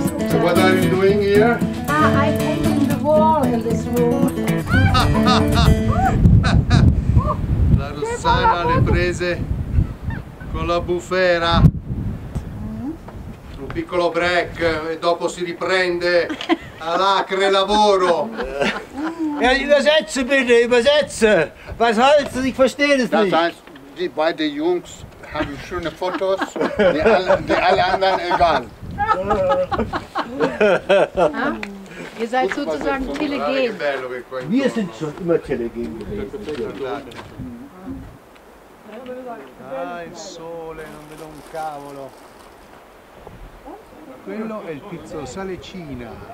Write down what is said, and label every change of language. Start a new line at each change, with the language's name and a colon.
English: So what are you doing here? I painted the wall in this room.
Italian: Sarà alle prese con la bufera, un piccolo break e dopo si riprende all'acre lavoro.
German: Ja, übersetze bitte, übersetze. Was heißt das? Ich verstehe das nicht. Das heißt, die beiden Jungs haben schöne Fotos, die alle anderen egal. Ihr seid sozusagen telegen. Wir sind schon immer telegen gewesen.
Italian: Ah, il sole, non vedo un cavolo. Quello è il pizzo Salecina.